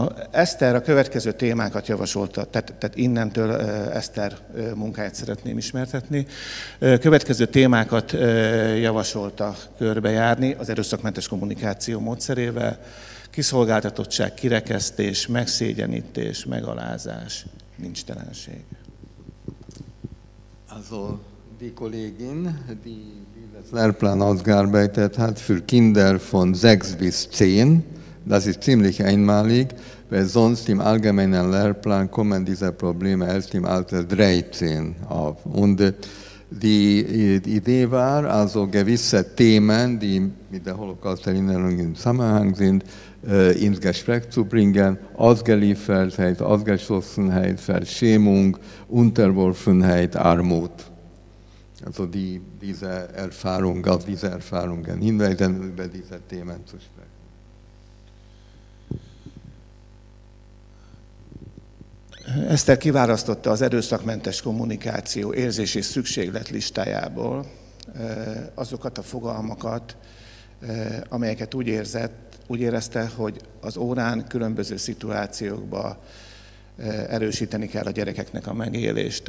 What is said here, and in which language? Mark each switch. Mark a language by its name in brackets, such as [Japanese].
[Hungarian] Eszter a következő témákat javasolta, tehát innentől Eszter munkáját szeretném ismertetni. Következő témákat javasolta körbejárni az erőszakmentes kommunikáció módszerével. Kiszolgáltatottság, kirekesztés, megszégyenítés, megalázás, nincstelenség. [German] Also die Kollegin, die das Lehrplan ausgearbeitet hat für Kinder von 6 bis 10, das ist ziemlich einmalig, weil sonst im allgemeinen Lehrplan kommen diese Probleme erst im Alter 13 auf. Und die Idee war, also gewisse Themen, die mit der Holocaust-Erinnerung im Zusammenhang sind, ins Gespräch zu bringen, Ausgeliefertheit, Ausgeschlossenheit, Verschämung, Unterworfenheit, Armut. Also diese Erfahrung, auf diese Erfahrungen hinweisen, über diese Themen zu sprechen. [Hungarian] Eszter kiválasztotta az erőszakmentes kommunikáció érzési szükséglet listájából azokat a fogalmakat, amelyeket úgy érezte, hogy az órán különböző szituációkba erősíteni kell a gyerekeknek a megélést.